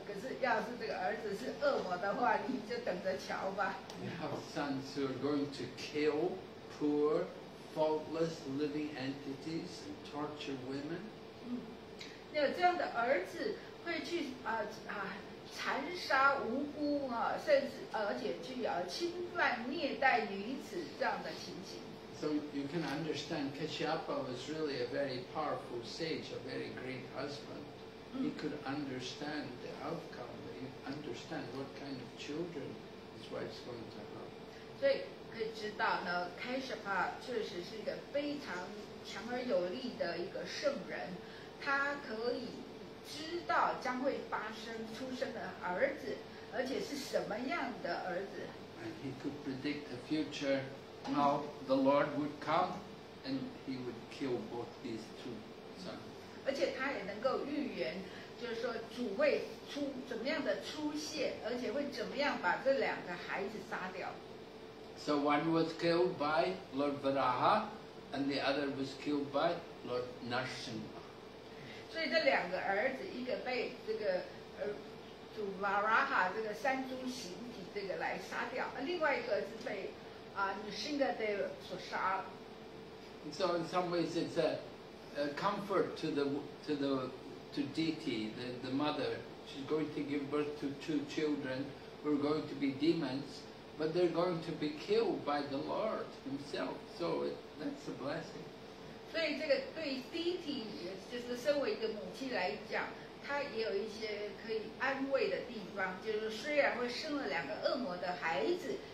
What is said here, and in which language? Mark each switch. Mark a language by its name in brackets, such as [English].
[Chinese] 可是要是这个儿子是恶魔的话，你就等着瞧吧。 [English] You have sons who are going to kill poor, faultless living entities and torture women. [Chinese] 那这样的儿子会去残杀无辜啊，甚至而且去侵犯虐待女子这样的情形。 [English] So you can understand Kashyapa was really a very powerful sage, a very great husband. He could understand the outcome, he could understand what kind of children his wife's going to have. [Chinese] 所以可以知道呢， Kashyapa 确实是一个非常强而有力的一个圣人，他可以知道将会发生出生的儿子，而且是什么样的儿子。 [English] And he could predict the future. How the Lord would come and he would kill both these two sons. [Chinese] 而且他也能够预言，就是说主会出怎么样的出现，而且会怎么样把这两个孩子杀掉。 [English] So one was killed by Lord Varaha and the other was killed by Lord Narsimha. [Chinese] 所以这两个儿子，一个被这个主 Varaha 这个三猪形体这个来杀掉，另外一个是被 [English] So in some ways it's a comfort to Diti, the mother. She's going to give birth to two children who are going to be demons, but they're going to be killed by the Lord himself. So that's a blessing. [Chinese] 所以这个对 Diti 就是身为一个母亲来讲，她也有一些可以安慰的地方，就是虽然会生了两个恶魔的孩子。